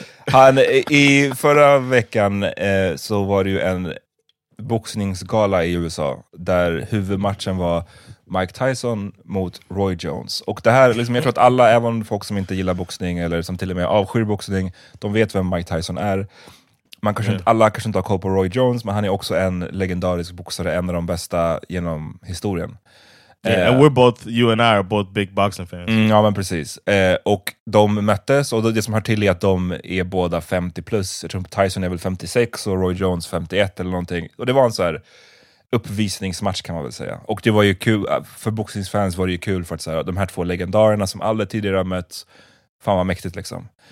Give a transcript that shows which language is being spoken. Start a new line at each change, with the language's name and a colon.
Swedish: Han, i förra veckan så var det ju en boxningsgala i USA där huvudmatchen var Mike Tyson mot Roy Jones. Och det här, liksom, jag tror att alla, även folk som inte gillar boxning eller som till och med avskyr boxning, de vet vem Mike Tyson är. Man kanske inte, alla kanske inte har koll på Roy Jones, men han är också en legendarisk boxare, en av de bästa genom historien.
English: Yeah, and we're both, you and I are both big boxing fans.
Swedish: Ja, men precis. Och de möttes, och det som hör till är att de är båda 50 plus. Jag tror Tyson är väl 56 och Roy Jones 51 eller någonting. Och det var en så här uppvisningsmatch kan man väl säga. Och det var ju kul, för boxningsfans var det ju kul för att så här, de här två legendarerna som aldrig tidigare har mötts, fan vad mäktigt liksom.